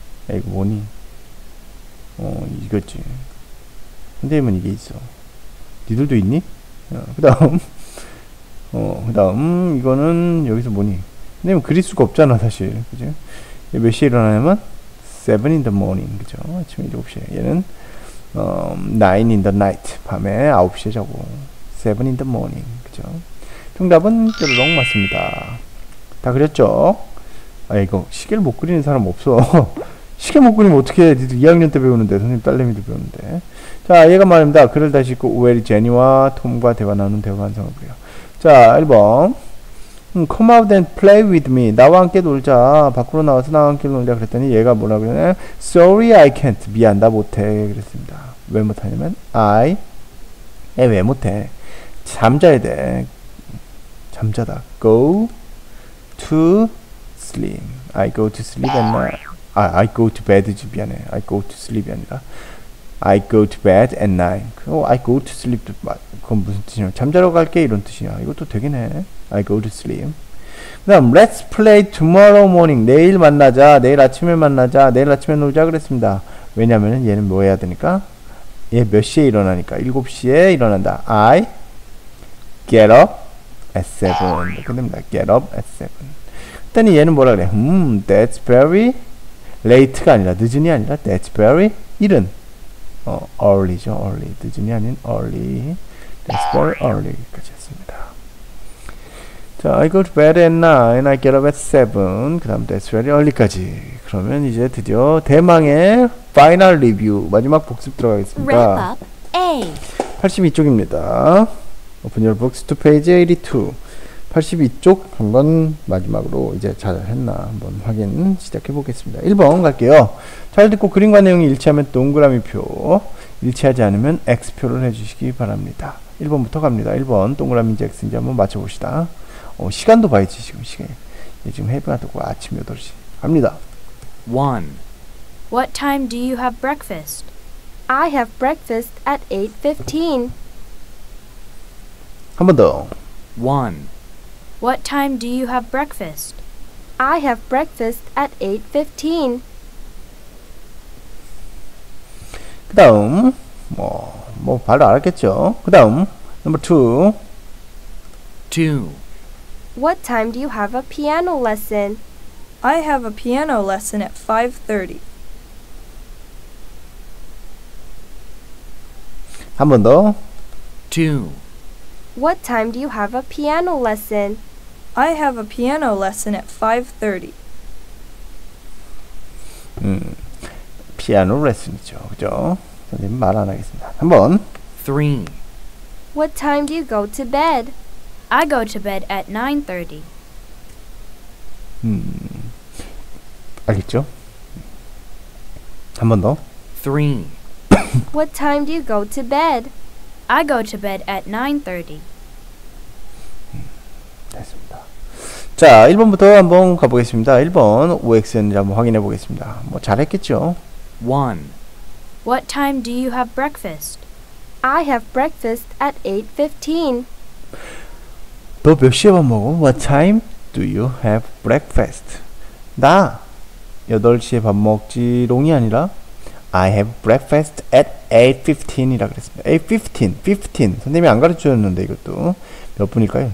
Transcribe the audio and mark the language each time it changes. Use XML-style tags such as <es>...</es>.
<ko>이거 뭐니? 어, 이거지. 선생님은 이게 있어. 니들도 있니? 어, 그 다음. 어, 그 다음. 이거는 여기서 뭐니? 선생님은 그릴 수가 없잖아, 사실. 그죠? 얘 몇 시에 일어나냐면,</ko> <en>7 in the morning.</en> <ko>그죠? 아침 7시에. 얘는,</ko> <en>9 in the night.</en> <ko>밤에 9시에 자고.</ko> <en>7 in the morning.</en> <ko>그죠? 정답은 뾰로롱 맞습니다. 다 그렸죠? 아 이거 시계를 못 그리는 사람 없어. 시계 못 그리면 어떻게 해? 니들 2학년 때 배우는데 선생님 딸내미도 배우는데. 자 얘가 말입니다. 글을 다시 읽고 오웰이 제니와 톰과 대화 나누는 대화 완성을 보여.</ko> <en>자 1번 Come out and play with me.</en> <ko>나와 함께 놀자. 밖으로 나와서 나와 함께 놀자 그랬더니 얘가 뭐라 그러냐?</ko> <en>Sorry I can't.</en> <ko>미안 나 못해 그랬습니다. 왜 못하냐면 I 에 왜 못해? 잠자야 돼. 잠자다.</ko> <en>Go to sleep. I go to sleep at night. 아, I go to bed지.</en> <ko>미안해.</ko> <en>I go to sleep이 아니라. I go to bed at night. Oh, I go to sleep.</en> <ko>그건 무슨 뜻이냐. 잠자러 갈게. 이런 뜻이야. 이것도 되긴 해.</ko> <en>I go to sleep. 그 다음, let's play tomorrow morning.</en> <ko>내일 만나자. 내일 아침에 만나자. 내일 아침에 놀자. 그랬습니다. 왜냐면은 얘는 뭐 해야 되니까? 얘 몇 시에 일어나니까? 7시에 일어난다.</ko> <en>I get up. At 7.</en> <ko>끝냅니다.</ko> <en>Get up at 7.</en> <ko>그랬더니 얘는 뭐라 그래?</ko> <en>That's very late</en> <ko>가 아니라 늦은이 아니라 That's very 이른. 어, early죠. Early. 늦은이 아닌 early.</ko> <en>That's very early.</en> <ko>까지 했습니다. 자,</ko> <en>자, I go to bed at 9, I get up at 7.</en> <ko>그 다음,</ko> <en>that's very early까지.</en> <ko>그러면 이제 드디어 대망의 final review. 마지막 복습 들어가겠습니다.</ko> <en>Wrap up A. 82쪽입니다. Open your books to page 82.</en> <ko>82쪽 한번 마지막으로 이제 잘 했나 한번 확인 시작해 보겠습니다. 1번 갈게요. 잘 듣고 그림과 내용이 일치하면 동그라미 표, 일치하지 않으면 X표를 해주시기 바랍니다. 1번부터 갑니다. 1번 동그라미인지 X인지 한번 맞춰봅시다. 시간도 봐야지 지금 시간. 예, 지금 해변 앞두고 아침 8시 갑니다.</ko> <en>1. What time do you have breakfast? I have breakfast at 8:15.</en> <ko>한번 더.</ko> <en>1. What time do you have breakfast? I have breakfast at 8:15.</en> <ko>그 다음, 뭐 바로 알았겠죠? 그 다음, number 2.</ko> <en>What time do you have a piano lesson? I have a piano lesson at 5:30.</en> <ko>한 번 더.</ko> <en>2. What time do you have a piano lesson? I have a piano lesson at 5:30.</en> <ko>피아노 레슨이죠, 그죠? 선생님 말 안 하겠습니다. 한 번.</ko> <en>3. What time do you go to bed? I go to bed at 9:30.</en> <ko>알겠죠? 한 번 더.</ko> <en>3. What time do you go to bed? I go to bed at 9:30.</en> <ko>됐습니다. 자, 1번부터 한번 가보겠습니다. 1번 OX인지 한번 확인해 보겠습니다. 뭐 잘했겠죠?</ko> <en>1. What time do you have breakfast? I have breakfast at 8:15.</en> <ko>너 몇 시에 밥 먹어?</ko> <en>What time do you have breakfast?</en> <ko>나 8시에 밥 먹지 롱이 아니라</ko> <en>I have breakfast at 8:15</en> <ko>이라 그랬습니다. 8:15. 선생님이 안 가르쳐줬는데 이것도 몇 분일까요?</ko>